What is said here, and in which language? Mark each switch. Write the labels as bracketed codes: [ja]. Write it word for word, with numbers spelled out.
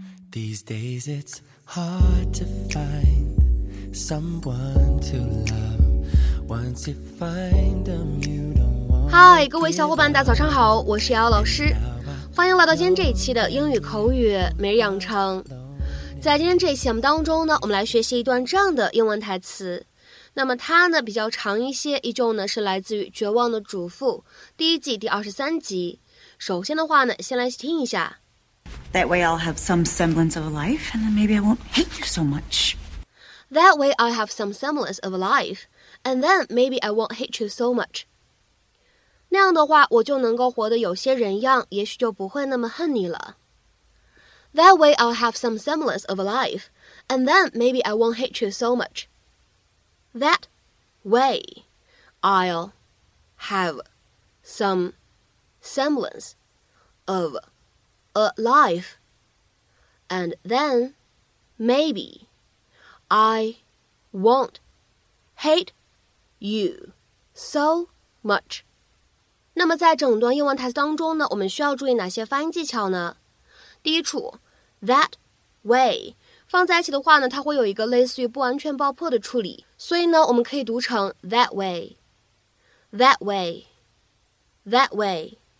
[en] These days it's hard to find someone to love. Once you find them, you don't want. [zh] 嗨，各位小伙伴，大早上好，我是姚老师，欢迎来到今天这一期的英语口语每日养成。在今天这一期节目当中呢，我们来学习一段这样的英文台词。那么它呢比较长一些，依旧呢是来自于《绝望的主妇》第一季第二十三集。首先的话呢，先来听一下。 [en] That way I'll have some semblance of a life, and then maybe I won't hate you so much. That way I'll have some semblance of a life, and then maybe I won't hate you so much. [zh] 那样的话，我就能够活得有些人样，也许就不会那么恨你了。 [en] That way I'll have some semblance of a life, and then maybe I won't hate you so much. That way, I'll have some semblance of a life, and then maybe I won't hate you so much. [zh] 那么在整段英文台词当中呢，我们需要注意哪些发音技巧呢？第一处 that way 放在一起的话呢，它会有一个类似于不完全爆破的处理。所以呢，我们可以读成 that way, that way, that way。